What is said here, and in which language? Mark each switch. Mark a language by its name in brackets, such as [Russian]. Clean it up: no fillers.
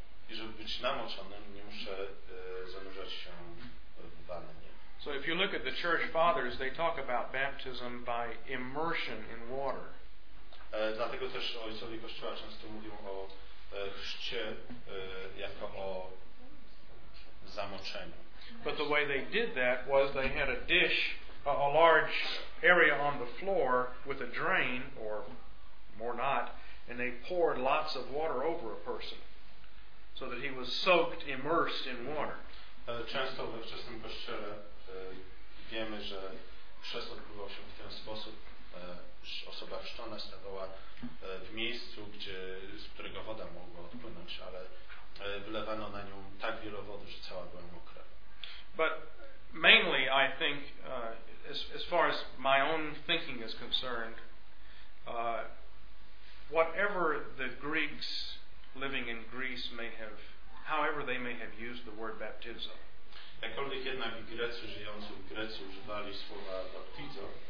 [Polish] I żeby być namoczonym, nie muszę zanurzać się w wannie. [English] So if you look at the church fathers, they talk about baptism by immersion in water. [Polish] Dlatego też ojcowie Kościoła często mówią o chrzcie jako o zamoczeniu. [English] But the way they did that was they had a dish, a large area on the floor with a drain or more not, and they poured lots of water over a person so that he was soaked, immersed in water. [Polish] Często we wczesnym kościele wiemy, że chrzest odbywał się w ten sposób, że osoba chrzczona stawała w miejscu, gdzie, z którego woda mogła odpłynąć, ale wylewano na nią tak wiele wody, że cała była mokra. [English] But mainly I think as far as my own thinking is concerned, whatever the Greeks living in Greece may have, however they may have used the word baptism. [Polish] Jakkolwiek jednak Grecy żyjący w Grecji używali słowa baptizo.